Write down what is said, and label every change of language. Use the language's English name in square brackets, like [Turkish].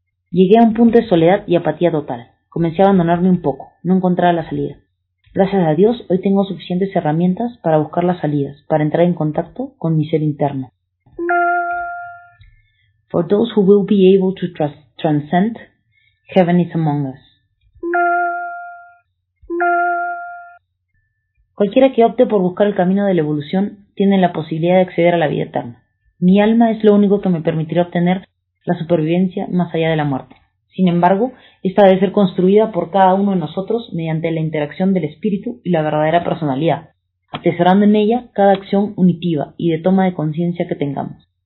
[Spanish] Llegué a un punto de soledad y apatía total. Comencé a abandonarme un poco, no encontraba la salida. Gracias a Dios, hoy tengo suficientes herramientas para buscar las salidas, para entrar en contacto con mi ser interno. [English] For those who will be able to transcend, heaven is among us. [Spanish] Cualquiera que opte por buscar el camino de la evolución tiene la posibilidad de acceder a la vida eterna. Mi alma es lo único que me permitirá obtener la supervivencia más allá de la muerte. Sin embargo, esta debe ser construida por cada uno de nosotros mediante la interacción del espíritu y la verdadera personalidad, atesorando en ella cada acción unitiva y de toma de conciencia que tengamos.